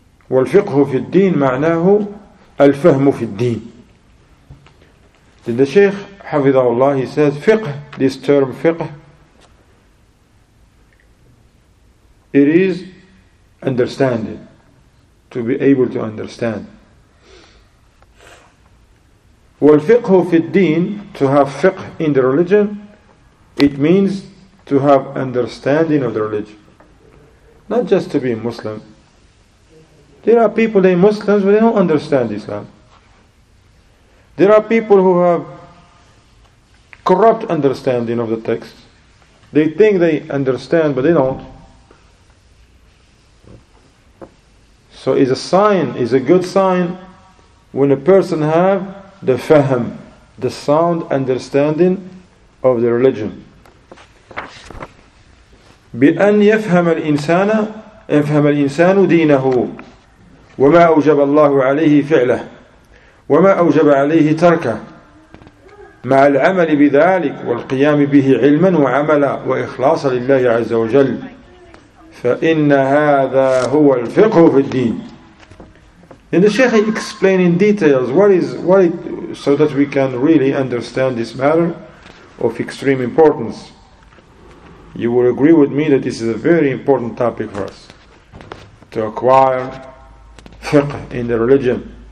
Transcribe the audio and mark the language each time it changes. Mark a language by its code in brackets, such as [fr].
[ar] والفقه في الدين معناه الفهم في الدين. [en] Then the Shaykh, [ar] حفظه الله, [en] he says, fiqh, this term fiqh, it is understanding, to be able to understand. [ar] والفقه في الدين, [en] to have fiqh in the religion, it means to have understanding of the religion. Not just to be Muslim. There are people, they're Muslims, but they don't understand Islam. There are people who have corrupt understanding of the text. They think they understand, but they don't. So it's a sign, it's a good sign when a person have the fahm, the sound understanding of the religion. [ar] بأن يفهم الإنسان يفهم الإنسان دينه وما أوجب الله عليه فعله وما أوجب عليه تركه مع العمل بذلك والقيام به علما وعملا وإخلاصا لله عز وجل فإن هذا هو الفقه في الدين. [en] Then the Sheikh explain in details what it, so that we can really understand this matter of extreme importance. You will agree with me that this is a very important topic for us to acquire fiqh in the religion.